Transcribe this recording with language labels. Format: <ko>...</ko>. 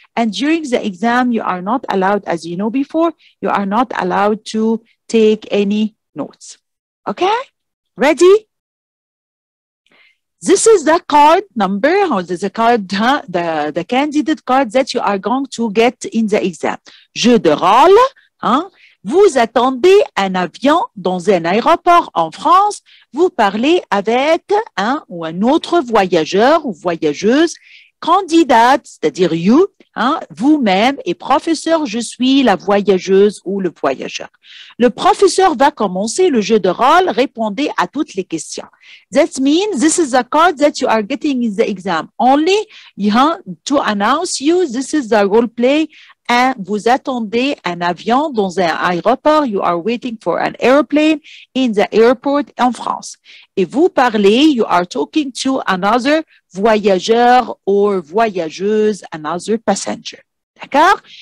<en>And during the exam, you are not allowed, as you know before, you are not allowed to take any notes. Okay? Ready? This is the card number, or the card, the candidate card that you are going to get in the exam.</en> <fr>Jeu de rôle, Vous attendez un avion dans un aéroport en France. Vous parlez avec un ou un autre voyageur ou voyageuse, candidate, c'est-à-dire you, vous-même et professeur, je suis la voyageuse ou le voyageur. Le professeur va commencer le jeu de rôle, répondez à toutes les questions.</fr> <en>That means this is the card that you are getting in the exam only to announce you, this is the role play.</en> <fr>And vous attendez un avion dans un aéroport.</fr> <en>You are waiting for an airplane in the airport</en> <fr>en France. Et vous parlez,</fr> <en>you are talking to another voyageur or voyageuse, another passenger.</en> <fr>D'accord?</fr>